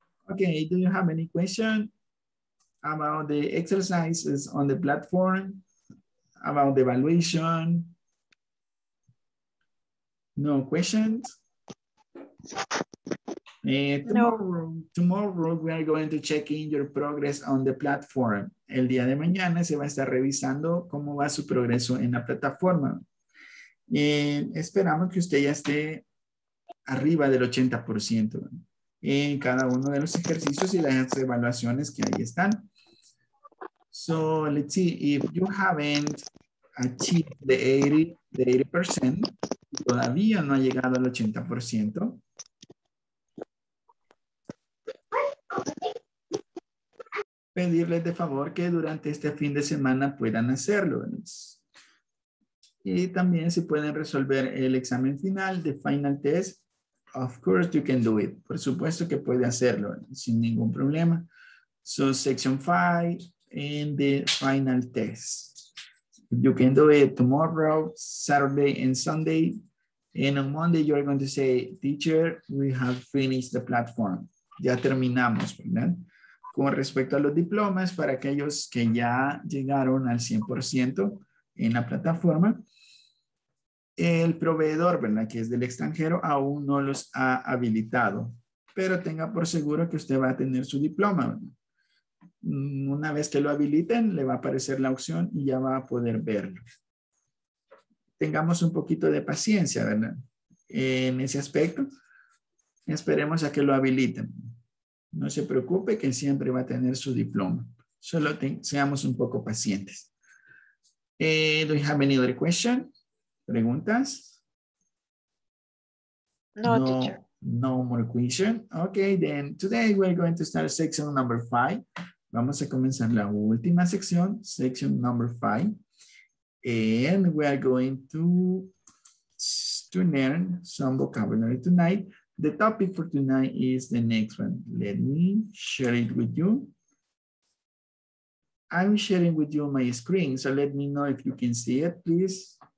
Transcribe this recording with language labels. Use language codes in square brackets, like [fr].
[en] Okay, do you have any question about the exercises on the platform, about the evaluation? No questions? Tomorrow we are going to check in your progress on the platform. [es] El día de mañana se va a estar revisando cómo va su progreso en la plataforma. Esperamos que usted ya esté arriba del 80%. En cada uno de los ejercicios y las evaluaciones que ahí están. [en] So, let's see, if you haven't achieved the 80%, [es] todavía no ha llegado al 80%. Pedirles de favor que durante este fin de semana puedan hacerlo. Y también si pueden resolver el examen final, [en] the final test, of course you can do it. [es] Por supuesto que puede hacerlo sin ningún problema. [en] So section 5 and the final test. You can do it tomorrow, Saturday and Sunday. And on Monday you are going to say, teacher, we have finished the platform. [es] Ya terminamos, ¿verdad? Con respecto a los diplomas, para aquellos que ya llegaron al 100% en la plataforma, el proveedor, ¿verdad?, que es del extranjero, aún no los ha habilitado, pero tenga por seguro que usted va a tener su diploma, ¿verdad? Una vez que lo habiliten, le va a aparecer la opción y ya va a poder verlo. Tengamos un poquito de paciencia, ¿verdad?, en ese aspecto. Esperemos a que lo habiliten. No se preocupe que siempre va a tener su diploma. Solo seamos un poco pacientes. [en] Do you have any other question? [es] ¿Preguntas? [en] No, teacher. No more question. Ok, then today we're going to start section number 5. [es] Vamos a comenzar la última sección, [en] section number 5. And we are going to learn some vocabulary tonight. The topic for tonight is the next one. Let me share it with you. I'm sharing with you my screen, so let me know if you can see it, please.